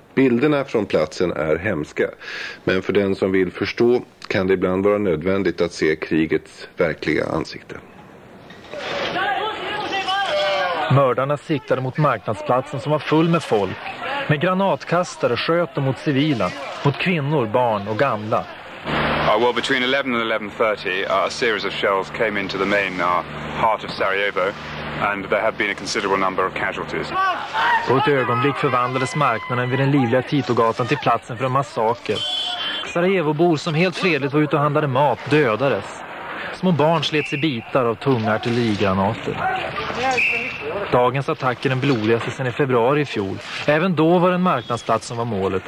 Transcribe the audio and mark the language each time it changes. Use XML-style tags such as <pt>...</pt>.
<sv>Bilderna från platsen är hemska, men för den som vill förstå kan det ibland vara nödvändigt att se krigets verkliga ansikte. Mördarna siktade mot marknadsplatsen som var full med folk. Med granatkastare sköt de mot civila, mot kvinnor, barn och gamla.</sv> <en>Well, between 11 and 11:30, a series of shells came into the main heart of Sarajevo. And there have been a considerable number of casualties.</en> <sv>På ett ögonblick förvandlades marknaden vid den livliga Titogatan till platsen för en massaker. Sarajevobor som helt fredligt var ute och handlade mat dödades. Små barn slets i bitar av tunga artillerigranater. Dagens attack är den blodigaste sedan i februari i fjol. Även då var det en marknadsplats som var målet.</sv>